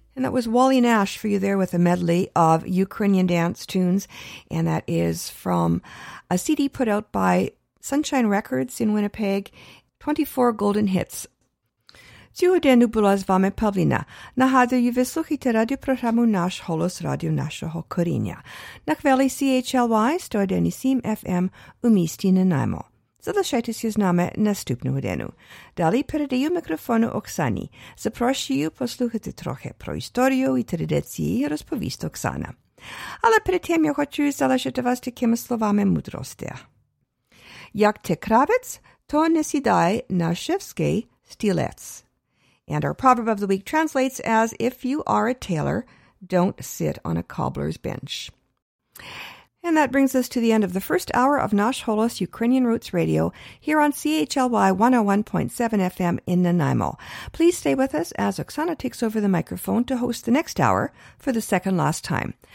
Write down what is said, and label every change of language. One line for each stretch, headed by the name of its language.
English: was Wally Nash for you there with a medley of Ukrainian dance tunes, and that is from a CD put out by Sunshine Records in Winnipeg, 24 Golden Hits.
Ukrainian: Цього дня була з вами Павлина. Нагадую, ви слухаєте радіопрограму «Наш голос», радіо нашого коріння. На хвилі CHLY 101.7 FM у місті Нанаймо. Залишайтеся з нами наступного дня. Далі передаю мікрофону Оксані. Запрошую послухати трохи про історію і традиції, розповість Оксана. Але перед тим я хочу залишити вас такими словами мудрості. Як ти кравець, то не сідай на шевський стілець.
English: And our proverb of the week translates as, if you are a tailor, don't sit on a cobbler's bench. And that brings us to the end of the first hour of Nash Holos Ukrainian Roots Radio here on CHLY 101.7 FM in Nanaimo. Please stay with us as Oksana takes over the microphone to host the next hour for the second last time.